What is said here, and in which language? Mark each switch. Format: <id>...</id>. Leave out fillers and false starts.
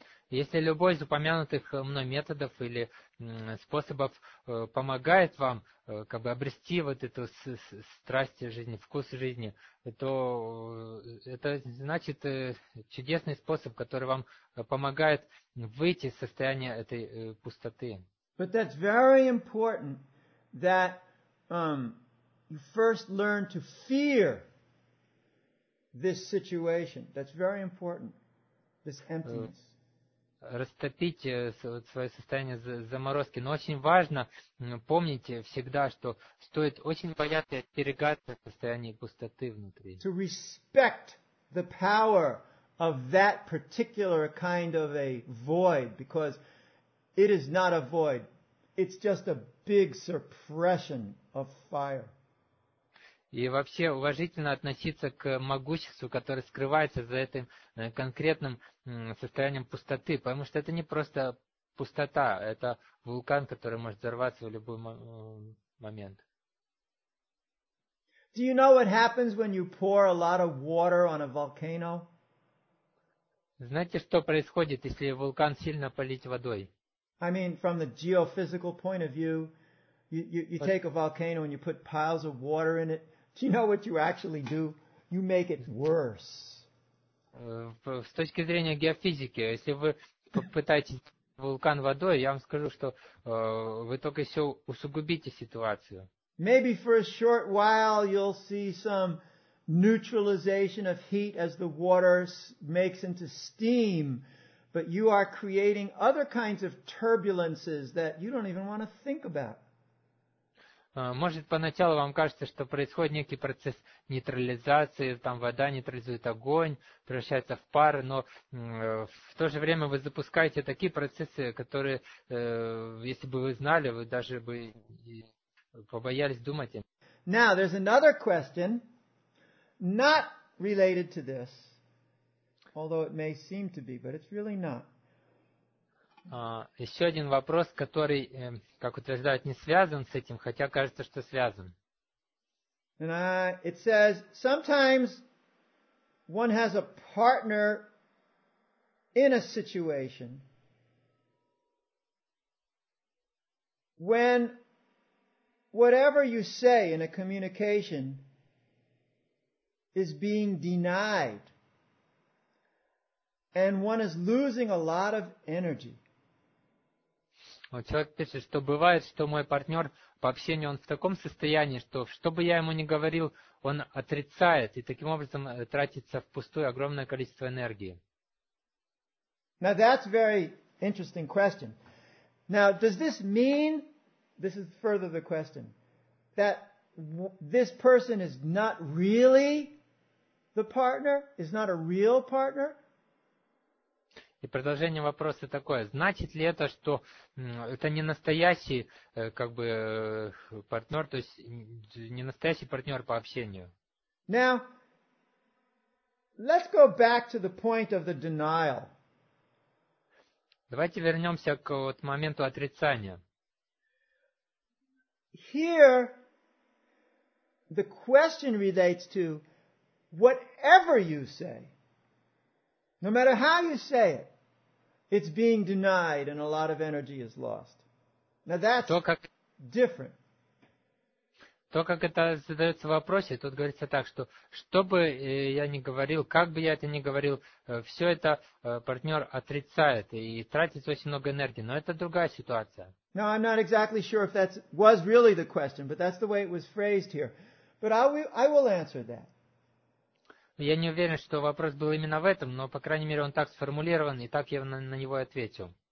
<ru>Если любой из упомянутых мной методов или способов помогает вам как бы обрести вот эту страсть жизни, вкус жизни, то это значит чудесный способ, который вам помогает выйти из состояния этой пустоты.</ru> <en>But that's very important that you first learn to fear this situation. That's very important, this emptiness.</en> <ru>Растопить свое состояние заморозки. Но очень важно помнить всегда, что стоит очень бояться и остерегаться состояния пустоты внутри.</ru> <en>To respect the power of that particular kind of a void, because it is not a void. It's just a big suppression of fire.</en> <ru>И вообще уважительно относиться к могуществу, которое скрывается за этим конкретным состоянием пустоты, потому что это не просто пустота, это вулкан, который может взорваться в любой момент.</ru> <en>Do you know what happens when you pour a lot of water on a volcano?</en> <ru>Знаете, что происходит, если вулкан сильно полить водой?</ru> <en>I mean, from the geophysical point of view, you take a volcano and you put piles of water in it. Do you know what you actually do? You make it worse.</en> <ru>С точки зрения геофизики, если вы пытаетесь вулкан водой, я вам скажу, что вы только еще усугубите ситуацию.</ru> <en>Maybe for a short while you'll see some neutralization of heat as the water makes into steam, but you are creating other kinds of turbulences that you don't even want to think about.</en> <ru>Может, поначалу вам кажется, что происходит некий процесс нейтрализации, там вода нейтрализует огонь, превращается в пар, но в то же время вы запускаете такие процессы, которые, если бы вы знали, вы даже бы побоялись думать.</ru> <en>Now, there's another question, not related to this, although it may seem to be, but it's really not.</en> <ru>Еще один вопрос, который, как утверждают, не связан с этим, хотя кажется, что связан.</ru> <en>And it says, sometimes one has a partner in a situation when whatever you say in a communication is being denied and one is losing a lot of energy.</en> <ru>Вот человек пишет, что бывает, что мой партнер по общению, он в таком состоянии, что бы я ему ни говорил, он отрицает, и таким образом тратится впустую огромное количество энергии.</ru> <en>Now that's a very interesting question. Now, does this mean, this is further the question, that this person is not really the partner, is not a real partner?</en> <ru>И продолжение вопроса такое. Значит ли это, что это не настоящий как бы партнер, то есть не настоящий партнер по общению?</ru> <en>Now, let's go back to the point of the denial.</en> <ru>Давайте вернемся к вот моменту отрицания.</ru> <en>Here, the question relates to whatever you say, no matter how you say it, it's being denied and a lot of energy is lost. Now that's different.</en> <ru>То, как это задается в вопросе, тут говорится так, что бы я ни говорил, как бы я это ни говорил, все это партнер отрицает и тратит очень много энергии. Но это другая ситуация.</ru> <en>Now I'm not exactly sure if that was really the question, but that's the way it was phrased here. But I will answer that.</en> <ru>Я не уверен, что вопрос был именно в этом, но, по крайней мере, он так сформулирован, и так я на него и ответил.</ru>